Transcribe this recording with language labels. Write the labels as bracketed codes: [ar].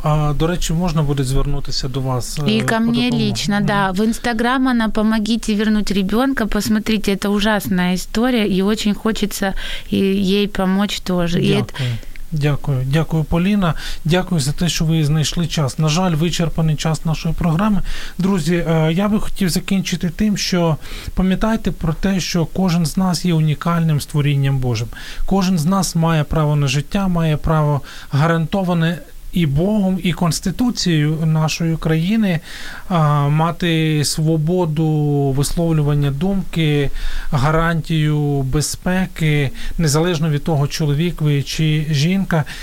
[uk] А до речі, можна буде звернутися до вас і ко мені лично, да. [ru] В Instagram она «Помогите вернуть ребенка». Посмотрите, это ужасная история, и очень хочется ей помочь тоже. [uk] Дякую, Поліна. Дякую за те, що ви знайшли час. На жаль, вичерпаний час нашої програми. Друзі, я би хотів закінчити тим, що пам'ятайте про те, що кожен з нас є унікальним створінням Божим. Кожен з нас має право на життя, має право гарантоване і Богом, і Конституцією нашої країни мати свободу висловлювання думки, гарантію безпеки, незалежно від того, чоловік ви чи жінка.